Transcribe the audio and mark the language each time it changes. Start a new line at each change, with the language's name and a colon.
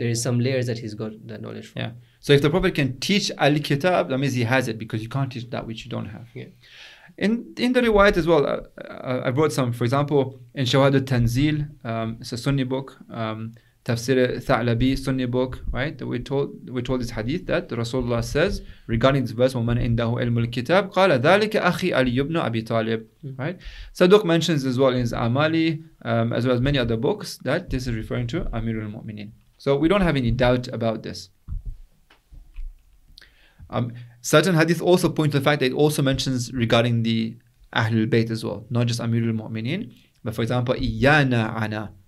English: There is some layers that he's got that knowledge from. Yeah. So if the Prophet can teach Al-Kitab, that means he has it, because you can't teach that which you don't have. Yeah. In the riwayat as well, I brought some, for example, in Shawad al-Tanzil, it's a Sunni book, Tafsir Tha'labi, Sunni book, right? We told this hadith that Rasulullah says regarding this verse,
Arabic: وَمَنْ إِنْدَهُ إِلْمُ الْكِتَابِ قَالَ ذَلِكَ أَخِي أَلِيُّ بْنُ أَبِي طَالِبِ.
English: Right? Saduq mentions as well in his Amali, as well as many other books, that this is referring to Amirul Mu'minin. So we don't have any doubt about this. Certain hadith also point to the fact that it also mentions regarding the Ahlul Bayt as well, not just Amirul Mu'minin, but for example,
Arabic: إِيَّانَ عَنَا.